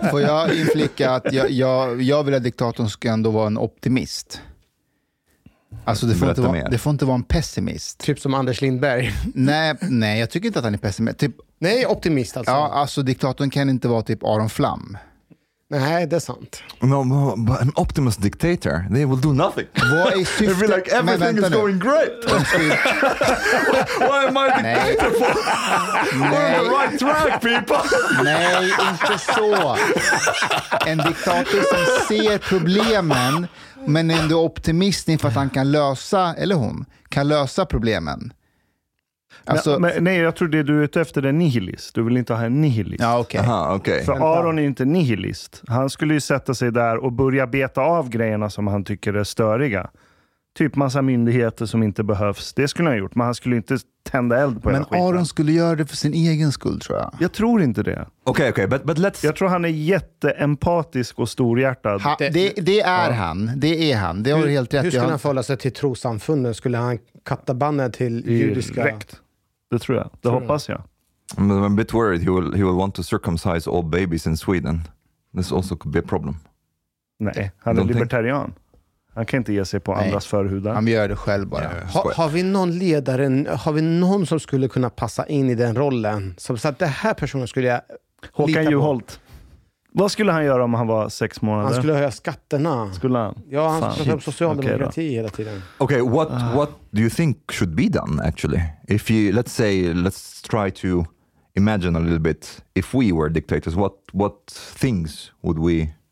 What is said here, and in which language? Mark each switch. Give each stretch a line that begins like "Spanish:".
Swedish: Får jag inflika att jag vill att diktatorn ska ändå vara en optimist. Alltså det får inte vara en pessimist. Typ som Anders Lindberg. Nej, jag tycker inte att han är pessimist. Typ, nej, optimist alltså. Ja, alltså diktatorn kan inte vara typ Aron Flam. Nej, det är sant.
English: No, but an optimist dictator, they will do nothing.
Swedish: Vad är syftet?
English: They'll be like, everything is going great. Why am I dictator for? We're on the right track, people.
Swedish: Nej, inte så. En diktator som ser problemen men ändå optimist inför att han kan lösa, eller hon, kan lösa problemen. Alltså, nej, jag tror det du är ute efter är nihilist. Du vill inte ha en nihilist. Ja, okay. Aha, okay. För Aron är inte nihilist. Han skulle ju sätta sig där och börja beta av grejerna som han tycker är störiga. Typ massa myndigheter som inte behövs. Det skulle han ha gjort, men han skulle inte tända eld på Men Aron skulle göra det för sin egen skull, tror jag. Jag tror inte det.
English: Okay, but let's...
Swedish: Jag tror han är jätteempatisk och storhjärtad. Det är han. Det är han. Det har helt rätt. Hur skulle han förhålla sig till trosamfunden? Skulle han katta bandet till judiska... Direkt. Det tror jag. Det hoppas jag.
English: I'm a bit worried he will want to circumcise all babies in Sweden. This also could be a problem.
Swedish: Nej, han är libertarian. Han kan inte ge sig på andras förhudar. Han gör det själv bara. Har vi någon ledare, har vi någon som skulle kunna passa in i den rollen? Som sagt, den här personen skulle jag Håkan Juholt. Vad skulle han göra om han var 6 månader? Han skulle höja skatterna. Skulle han? Ja, han skulle höja socialdemokrati hela tiden.
English: Okay, what do you think should be done actually? If you let's try to imagine a little bit if we were dictators, what things would we